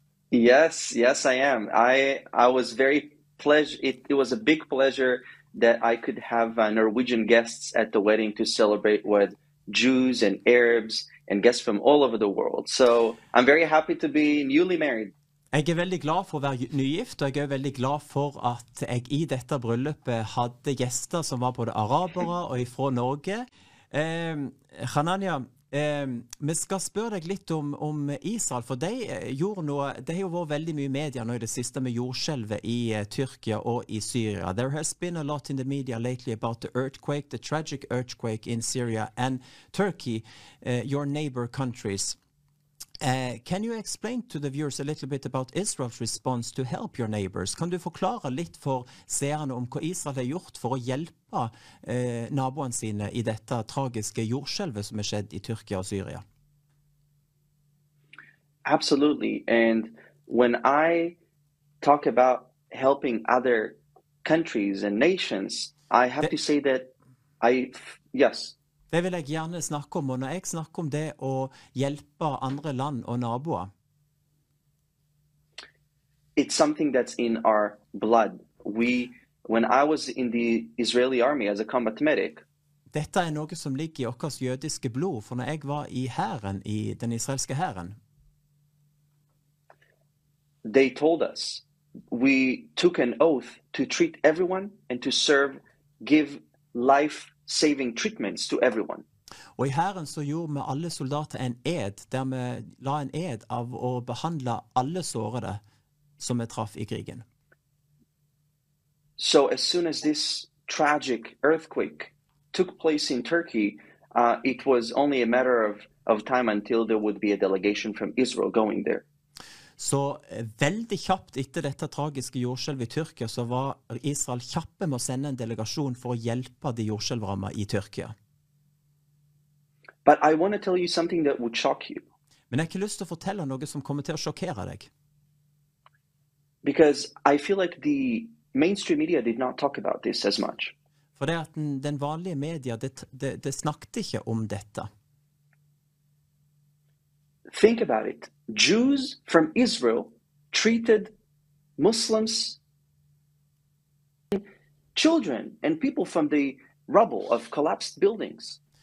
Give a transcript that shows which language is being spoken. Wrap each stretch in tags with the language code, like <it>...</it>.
<en>Yes, yes, I am. I was very pleasure. It was a big pleasure that I could have Norwegian guests at the wedding to celebrate with Jews and Arabs and guests from all over the world. So I'm very happy to be newly married.</en> <no>Jeg veldig glad for å være nygift, og jeg veldig glad for at jeg I dette bryllupet hadde gjester som var både arabere og ifra Norge. Hananya, vi skal spørre deg litt om Israel, for de gjorde noe, det har jo vært veldig mye media nå I det siste med jordskjelvet I Tyrkia og I Syria.</no> <en>There has been a lot in the media lately about the earthquake, the tragic earthquake in Syria and Turkey, your neighbor countries. Can you explain to the viewers a little bit about Israel's response to help your neighbors?</en> <no>Kan du forklare litt for seerne om hva Israel har gjort for å hjelpe naboene sine I dette tragiske jordskjelvet som skjedd I Tyrkia og Syria?</no> <en>Absolutely. And when I talk about helping other countries and nations, I have to say that yes.</en> <no>Det vil jeg gjerne snakke om, og når jeg snakker om det å hjelpe andre land og naboer.</no> <en>It's something that's in our blood. When I was in the Israeli army as a combat medic.</en> <no>Dette noe som ligger I vårt jødiske blod, for når jeg var I hæren, I den israelske hæren.</no> <en>They told us. We took an oath to treat everyone and to serve, give life saving treatments to everyone.</en> <no>Og I hæren så gjorde vi alle soldater en ed, der vi la en ed av å behandle alle sårede som vi traff I krigen.</no> <en>So as soon as this tragic earthquake took place in Turkey, it was only a matter of time until there would be a delegation from Israel going there.</en> <no>Så veldig kjapt etter dette tragiske jordskjelvet I Tyrkia, så var Israel kjappe med å sende en delegasjon for å hjelpe de jordskjelvrammer I Tyrkia.</no> <en>But I want to tell you something that would shock you.</en> <no>Men jeg har ikke lyst til å fortelle noe som kommer til å sjokkere deg.</no> <en>Because I feel like the mainstream media did not talk about this as much.</en> <no>For det at den vanlige media, det snakket ikke om dette.</no> <en>Think about it. Jews from Israel treated Muslims, children, and people from the rubble of collapsed buildings.</en>